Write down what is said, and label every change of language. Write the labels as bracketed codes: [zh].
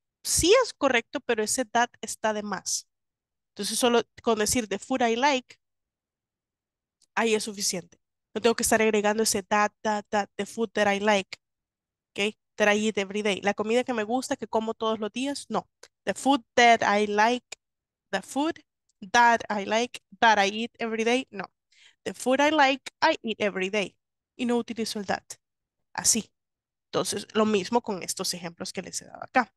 [es] Sí es correcto, pero ese that está de más. Entonces, solo con decir [en] the food I like, [es] ahí es suficiente. No tengo que estar agregando ese [en] that, the food that I like. Okay? That I eat every day. [es] La comida que me gusta, que como todos los días, no. [en] The food that I like, the food that I like, that I eat every day, no. The food I like, I eat every day. [es] Y no utilizo el that. Así. Entonces, lo mismo con estos ejemplos que les he dado acá.